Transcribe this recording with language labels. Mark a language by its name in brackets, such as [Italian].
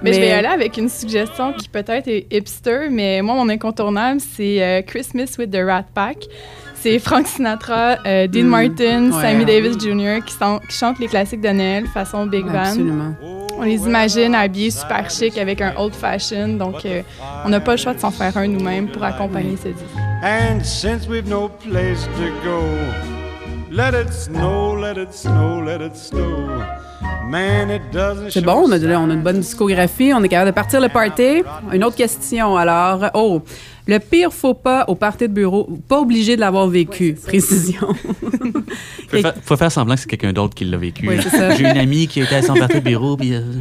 [French] Mais je vais aller avec une suggestion qui peut-être est hipster, mais moi, mon incontournable, c'est Christmas with the Rat Pack. C'est Frank Sinatra, Dean Martin, Sammy Davis Jr. qui chantent les classiques de Noël façon Big Band. Absolument. On les imagine habillés super chic avec un old fashion, donc on n'a pas le choix de s'en faire un nous-mêmes pour accompagner ce disque. [English] And since we've no place to go, let it snow, let it snow, let it snow. Man, it doesn't. [French] C'est bon, on a une bonne discographie, on est capable de partir le party. Une autre question, alors. Oh, le pire faux pas au party de bureau, pas obligé de l'avoir vécu, précision. faut faire semblant que c'est quelqu'un d'autre qui l'a vécu. Oui, c'est ça. J'ai une amie qui était à son party de bureau, puis.